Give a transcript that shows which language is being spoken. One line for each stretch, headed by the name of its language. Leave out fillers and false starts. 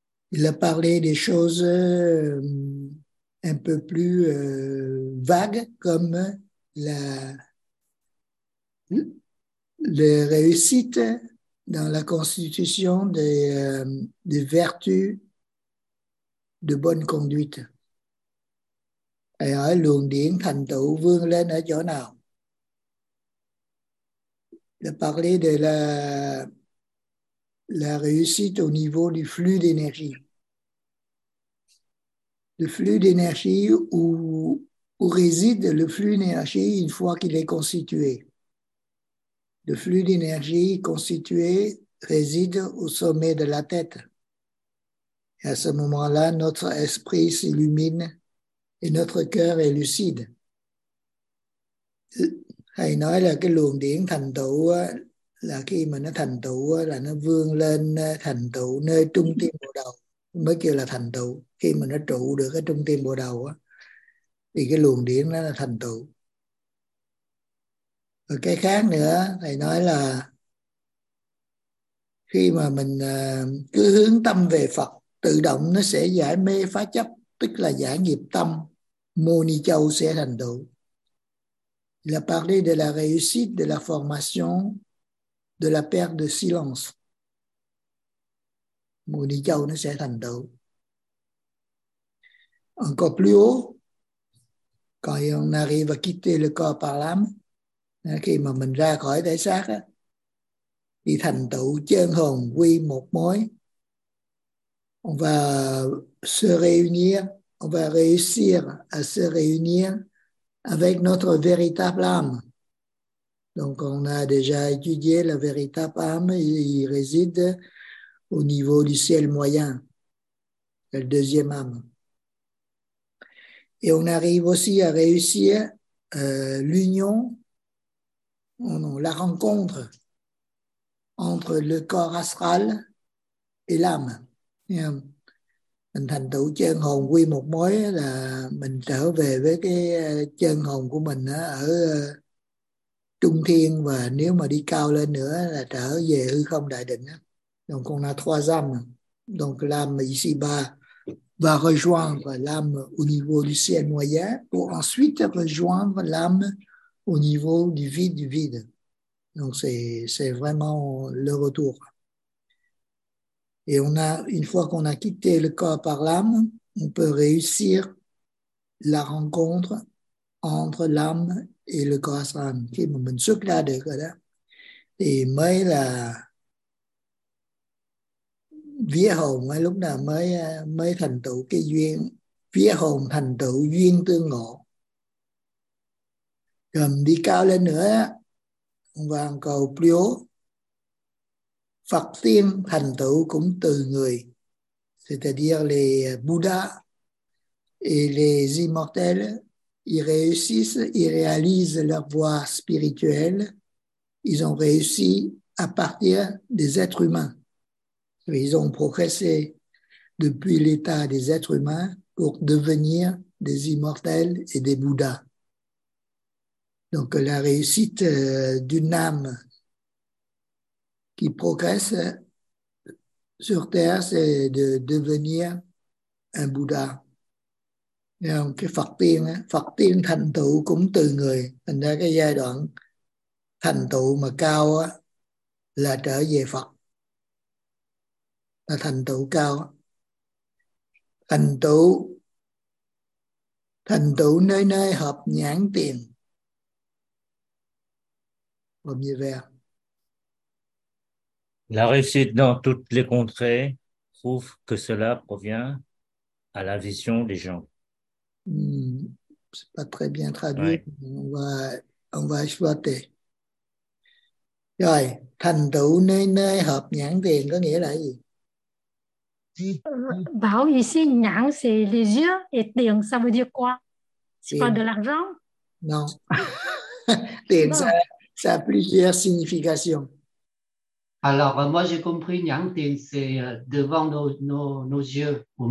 French: Il a parlé des choses un peu plus vagues comme la réussite dans la constitution des vertus de bonne conduite.
Vietnamese: Et à luồng điển thành tựu vươn lên ở chỗ nào?
French: Il a parlé de la réussite au niveau du flux d'énergie. Le flux d'énergie, où réside le flux d'énergie une fois qu'il est constitué. Le flux d'énergie constitué réside au sommet de la tête. Et à ce moment-là, notre esprit s'illumine et notre cœur est lucide.
Vietnamese: Hay nói là cái luồng điển thành tựu là khi mà nó thành tựu là nó vươn lên thành tựu nơi trung tâm bộ đầu. Mới kêu là thành tựu, khi mà nó trụ được cái trung tâm bộ đầu á, thì cái luồng điển nó là thành tựu. Và cái khác nữa, thầy nói là khi mà mình cứ hướng tâm về Phật, tự động nó sẽ giải mê phá chấp, tức là giải nghiệp tâm, mô ni châu sẽ thành tựu.
French: Il a parlé de la réussite de la formation de la perte de silence.
Vietnamese: Mô ni châu nó sẽ thành tựu.
French: Encore plus haut, quand on arrive à quitter le corps par l'âme,
Vietnamese: khi mà mình ra khỏi thể xác á, thì thành tựu chân hồn quy một mối.
French: On va se réunir, on va réussir à se réunir avec notre véritable âme. Donc on a déjà étudié la véritable âme, il réside au niveau du ciel moyen, la deuxième âme. Et on arrive aussi à réussir l'union, la rencontre entre le corps astral et l'âme.
Vietnamese: Mình thành tựu chân hồn quy một mối là mình trở về với cái chân hồn của mình ở trung thiên, và nếu mà đi cao lên nữa là trở về hư không đại định.
French: Donc on a trois âmes, donc l'âme ici bas va rejoindre l'âme au niveau du ciel moyen pour ensuite rejoindre l'âme au niveau du vide du vide. Donc c'est vraiment le retour. Et on a, une fois qu'on a quitté le corps par l'âme, on peut réussir la rencontre entre l'âme et le corps astral.
Vietnamese: Khi mà mình xuất ra được rồi đó, thì mới là vía hồn, mới lúc nào mới mới thành tựu cái duyên, vía hồn thành tựu duyên tương ngộ. Rồi đi cao lên nữa, và cầu
French: plus haut,
Vietnamese: Phật tiên thành tựu cũng từ người,
French: c'est-à-dire les Bouddhas et les immortels, ils réussissent, ils réalisent leur voie spirituelle, ils ont réussi à partir des êtres humains. Ils ont progressé depuis l'état des êtres humains pour devenir des immortels et des Bouddhas. Donc la réussite d'une âme qui progresse sur terre, c'est de devenir un Bouddha.
Vietnamese: Donc, Phật tiên thành tựu cũng từ người. Thành ra cái giai đoạn thành tựu mà cao á, là trở về Phật. Là thành tựu cao. Thành tựu nơi nơi hợp nhãn tiền.
French: Premier vers. La réussite dans toutes les contrées prouve que cela provient à la vision des gens. C'est pas très bien traduit. Ouais. On va exploiter.
Vietnamese: Rồi, thành tựu nơi nơi hợp nhãn tiền có nghĩa là gì?
French: Bảo ici, nhãn, c'est les yeux, et tiền, ça veut dire quoi? C'est pas de l'argent? Non. Tiền, ça a plusieurs significations. Alors, moi, j'ai compris, nhãn tiền, c'est devant nos yeux.